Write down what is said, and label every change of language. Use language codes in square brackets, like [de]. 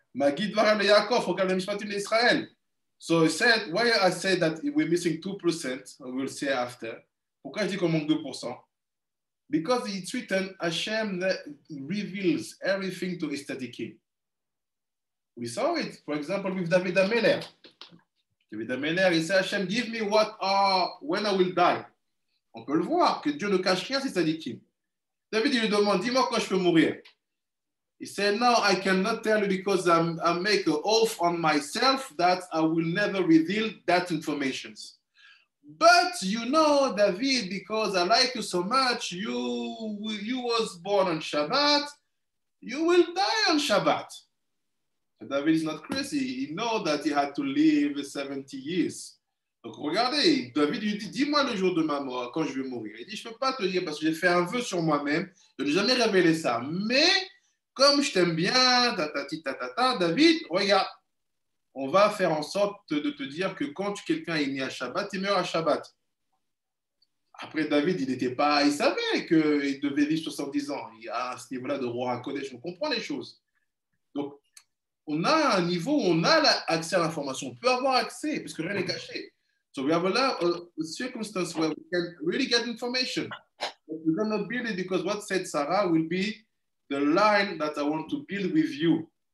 [fr] Ma guide va ramener Yaakov au Galem Shmatim d'Israël. [en] So he said, why I said that we're missing 2%, we'll see after. [fr] Pourquoi je dis qu'on manque 2%? [en] Because it's written, Hashem that reveals everything to his tzaddikim. We saw it, for example, with David Ameler. David Ameler, he said, Hashem, give me what are, when I will die. [fr] On peut le voir, que Dieu ne cache rien à ses tzaddikim. David, il lui demande, dis-moi quand je peux mourir. [en] He said, no, I cannot tell you because I make an oath on myself that I will never reveal that information. But you know, David, because I like you so much, you was born on Shabbat, you will die on Shabbat. And David is not crazy. He knows that he had to live 70 years. [fr] Donc regardez, David lui dit, dis-moi le jour de ma mort, quand je vais mourir. Il dit, je ne peux pas te dire parce que j'ai fait un vœu sur moi-même de ne jamais révéler ça. Mais comme je t'aime bien, David, regarde. On va faire en sorte de te dire que quand quelqu'un est né à Shabbat, il meurt à Shabbat. Après, David, il n'était pas, il savait qu'il devait vivre 70 ans. Il y a ce niveau-là de roi à Kodesh, on comprend les choses. Donc, on a un niveau où on a accès à l'information. On peut avoir accès, parce que rien n'est caché. [en] So we have a circumstance where we can really get information. But we cannot build it because what said Sarah will be the line that I want to build with you.